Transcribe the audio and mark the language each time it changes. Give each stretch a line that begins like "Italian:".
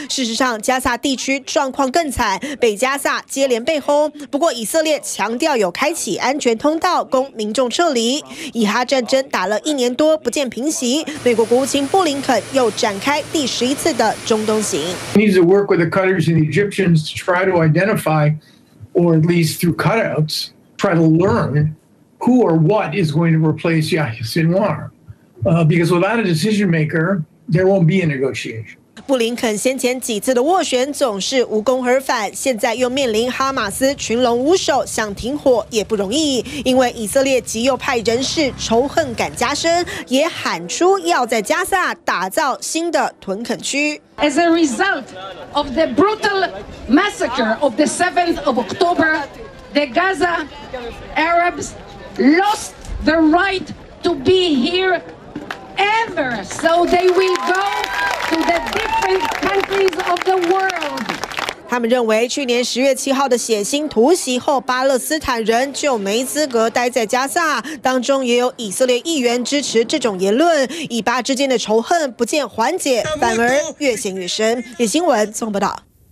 Chinese: 事实上，加萨地区状况更惨，北加萨接连被轰。不过，以色列强调有开启安全通道供民众撤离。以哈战争打了1年多不见平息，美国国务卿布林肯又展开第11次的中东行。
English: He needs to work with the Qataris and the Egyptians to try to identify, or at least through cutouts, try to learn. Who or what is going to replace Yahya Sinwar? Because without a decision maker, there won't be a negotiation.
Chinese: 布林肯先前几次的斡旋总是无功而返，现在又面临哈马斯群龙无首，想停火也不容易。因为以色列极右派人士仇恨感加深，也喊出要在加萨打造新的屯垦区。
English: As a result of the brutal massacre of the 7th of October, the Gaza Arabs lost the right to be here. Ever, so they will go to the different countries of the world.
Chinese: 他们认为去年十月七号的血腥突袭后，巴勒斯坦人就没资格待在加萨。当中也有以色列议员支持这种言论。以巴之间的仇恨不见缓解，反而越陷越深。李新闻综合报道。